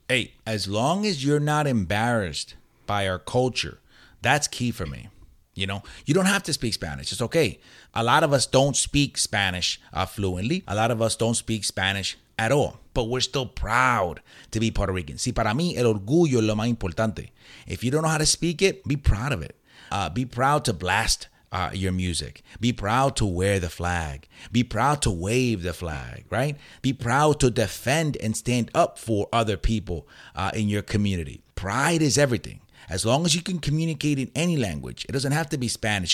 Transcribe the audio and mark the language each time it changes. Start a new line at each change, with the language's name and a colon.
English: Hey, as long as you're not embarrassed by our culture, that's key for me. You know, you don't have to speak Spanish. It's okay. A lot of us don't speak Spanish fluently. A lot of us don't speak Spanish at all. But we're still proud to be Puerto Rican.
Spanish: Si para mí, el orgullo es lo más importante.
English: If you don't know how to speak it, be proud of it. Be proud to blast your music. Be proud to wear the flag. Be proud to wave the flag, right? Be proud to defend and stand up for other people in your community. Pride is everything. As long as you can communicate in any language, it doesn't have to be Spanish.